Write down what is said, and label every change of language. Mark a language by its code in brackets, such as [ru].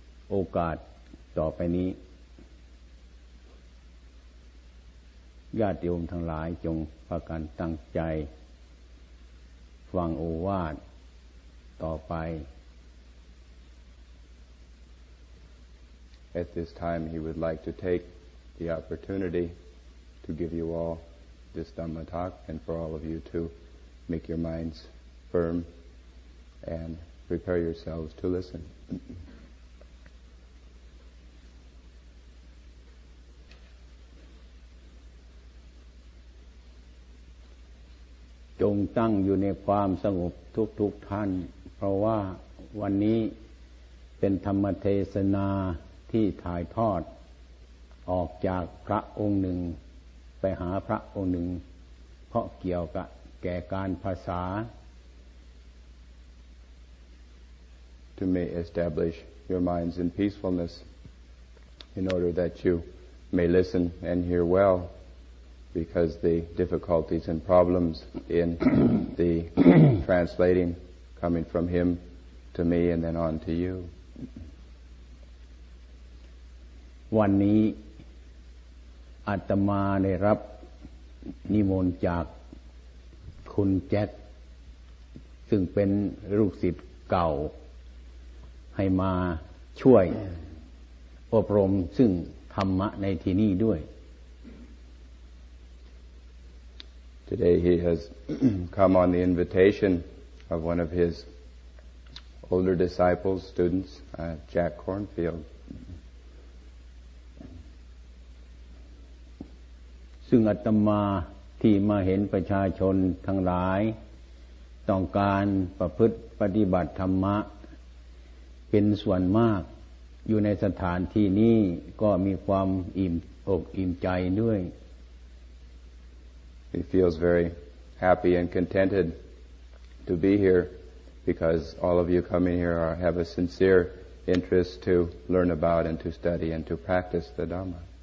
[th] โอกาสต่อไปนี้ญาติโยมทั้งหลายจงพากันตั้งใจฟังโอวาทต่อไป [en] At this time he would like to take the opportunity to give you all this Dhamma talk and for all of you to make your minds firm and prepare yourselves to listen. [th] จงตั้งอยู่ในความสงบทุกท่านเพราะว่าวันนี้เป็นธรรมเทศนาที่ถ่ายทอดออกจากพระองค์หนึ่งไปหาพระองค์หนึ่งเพราะเกี่ยวกับแก่การภาษา [en] To may establish your minds in peacefulness in order that you may listen and hear well. Because the difficulties and problems in the translating coming from him to me and then on to you. [th] วันนี้อาตมาได้รับนิมนต์จากคุณแจ็คซึ่งเป็นลูกศิษย์เก่าให้มาช่วยอบรมซึ่งธรรมะในที่นี้ด้วย [en] Today he has come on the invitation of one of his older disciples, students, Jack Kornfield. [th] ซึ่งอาตมาที่มาเห็นประชาชนทั้งหลายต้องการประพฤติปฏิบัติธรรมะเป็นส่วนมากอยู่ในสถานที่นี้ก็มีความอิ่มอกอิ่มใจด้วย [en] He feels very happy and contented to be here because all of you coming here are, have a sincere interest to learn about and to study and to practice the Dhamma.